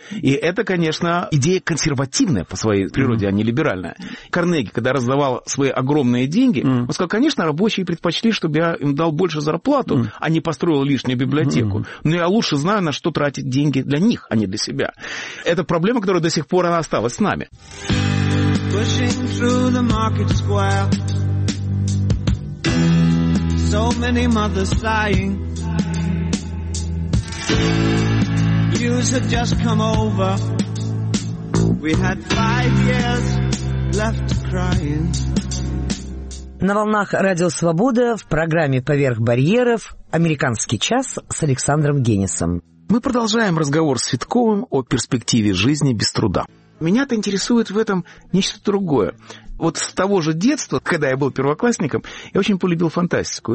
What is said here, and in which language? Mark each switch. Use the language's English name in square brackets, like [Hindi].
[Russian] И это, конечно, идея консервативная по своей природе, а не либеральная. Карнеги, когда раздавал свои огромные деньги, он сказал, конечно, рабочие предпочли, чтобы я им дал больше зарплату, а не построил лишнюю библиотеку. Но я лучше знаю, на что тратить деньги для них, а не для себя. Это проблема, которая до сих пор она осталось с нами. [English] Pushing through the market square. So many mothers sighing. News had just come over. We had five years left crying. [Russian] На волнах Радио Свобода в программе «Поверх барьеров» «Американский час» с Александром Генисом. Мы продолжаем разговор с Светковым о перспективе жизни без труда. Меня-то интересует в этом нечто другое. Вот с того же детства, когда я был первоклассником, я очень полюбил фантастику.